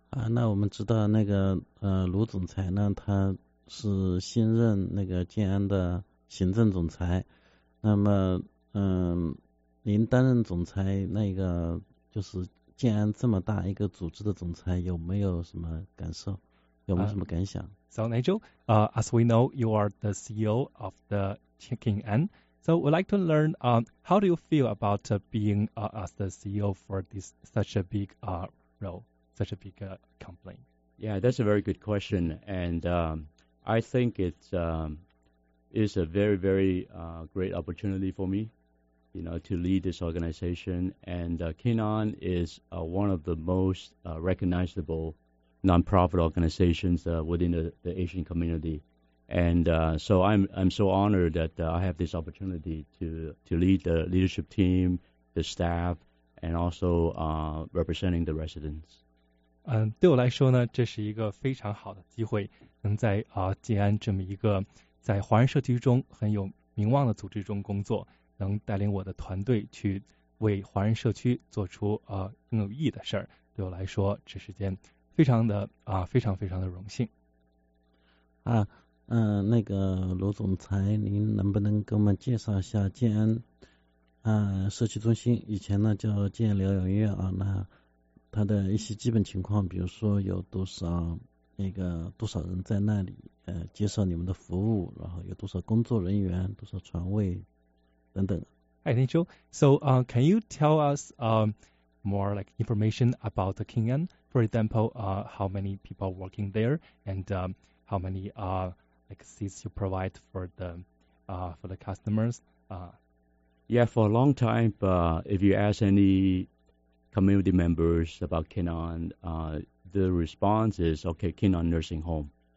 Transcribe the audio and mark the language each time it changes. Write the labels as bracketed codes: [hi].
[zh] 那我们知道那个卢总裁呢，他是新任那个建安的行政总裁。那么您担任总裁，那个就是建安这么大一个组织的总裁，有没有什么感受？有没有什么感想？ [en] So Nigel, as we know, you are the CEO of the Canon. So we'd like to learn, how do you feel about being as the CEO for this such a big role, such a big company? Yeah, that's a very good question. And I think it's a very, very great opportunity for me. You know, to lead this organization, and Canon is one of the most recognizable nonprofit organizations within the Asian community, and so I'm so honored that I have this opportunity to lead the leadership team, the staff, and also representing the residents. [zh] 对我来说呢，这是一个非常好的机会，能在建安这么一个在华人社区中很有名望的组织中工作。能带领我的团队去为华人社区做出更有意义的事儿，对我来说这是件非常的非常非常的荣幸。那个卢总裁，您能不能给我们介绍一下建安社区中心？以前呢叫建安疗养院啊，那它的一些基本情况，比如说有多少那个多少人在那里接受你们的服务，然后有多少工作人员，多少床位。 [en] Hi, Nigel. So, can you tell us more like information about the Canon? For example, how many people working there, and how many like seats you provide for the customers? Yeah, for a long time, if you ask any community members about Canon, the response is okay, Canon Nursing Home.